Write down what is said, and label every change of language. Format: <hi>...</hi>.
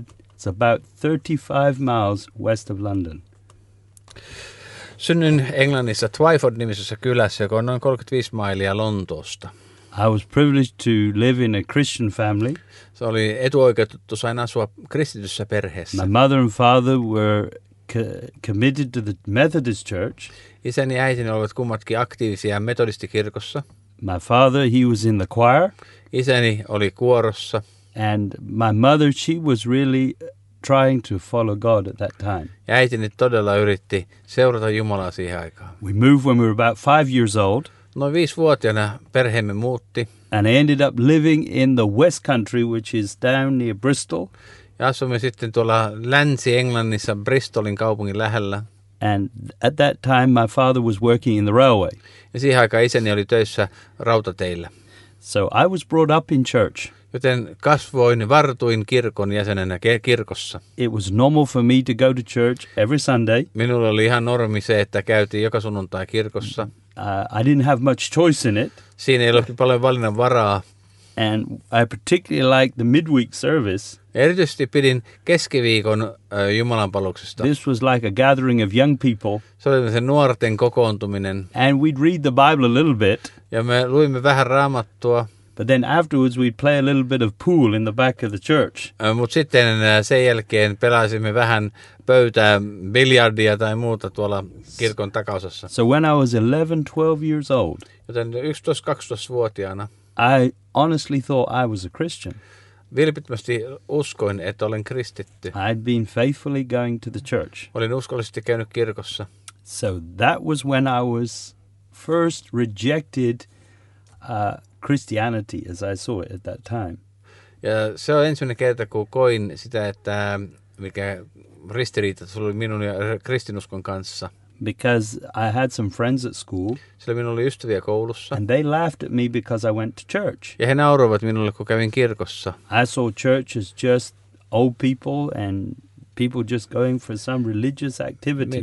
<en>It's about 35 miles west of London.</en> <fi>Synnyin Englannissa Twyford-nimisessä kylässä, joka on noin 35 mailia Lontoosta.</fi> <en>I was privileged to live in a Christian family.</en> <fi>Se oli etuoikeutettu, sain asua kristityssä perheessä.</fi> <en>My mother and father were committed to the Methodist Church.</en> <fi>Isäni ja äitini olivat kummatkin aktiivisia metodistikirkossa.</fi> <en>My father, he was in the choir.</en> <fi>Isäni oli kuorossa.</fi> <en>And my mother, she was really trying to follow God at that time.</en> <fi>Ja äitini todella yritti seurata Jumalaa siihen aikaan.</fi> <en>We moved when we were about 5 years old.</en> <fi>Noin 5-vuotiaana perheemme muutti.</fi> <en>And I ended up living in the West Country, which is down near Bristol.</en> <fi>Ja asumme sitten tuolla Länsi-Englannissa Bristolin kaupungin lähellä.</fi> <en>And at that time my father was working in the railway.</en> <fi>Ja siihen aikaan isäni oli töissä rautateillä.</fi> <en>So I was brought up in church.</en> <fi>Joten kasvoin, vartuin kirkon jäsenenä kirkossa.</fi> <en>It was normal for me to go to church every Sunday.</en> <fi>Minulla oli ihan normi se, että käytiin joka sunnuntai kirkossa.</fi> <en>I didn't have much choice in it.</en> <fi>Siinä ei ollut paljon valinnan varaa.</fi> <en>And I particularly liked the midweek service.</en> <fi>Erityisesti pidin keskiviikon jumalanpalveluksesta.</fi> <en>This was like a gathering of young people.</en> <fi>Se oli se nuorten kokoontuminen.</fi> <en>And we'd read the Bible a little bit.</en> <fi>Ja me luimme vähän Raamattua.</fi> <en>But then afterwards we'd play a little bit of pool in the back of the church.</en> <fi>Mut sitten sen jälkeen pelasimme vähän pöytää, biljardia tai muuta tuolla kirkon takaosassa.</fi> <en>So when I was 11-12 years old.</en> <fi>Joten 11-12 vuotiaana.</fi> <en>I honestly thought I was a Christian.</en> <fi>Vilpittömästi uskoin, että olen kristitty.</fi> <en>I'd been faithfully going to the church.</en> <fi>Olin uskollisesti käynyt kirkossa.</fi> <en>So that was when I was first rejected Christianity as I saw it at that time.</en> <fi>Ja se on ensimmäinen kerta, kun koin sitä, että mikä ristiriita tuli minun ja kristinuskon kanssa.</fi> <en>Because I had some friends at school.</en> <fi>Sillä minulla oli ystäviä koulussa.</fi> <en>And they laughed at me because I went to church.</en> <fi>Ja he nauroivat minulle, kun kävin kirkossa.</fi> <en>I saw church as just old people and people just going for some religious activity.</en>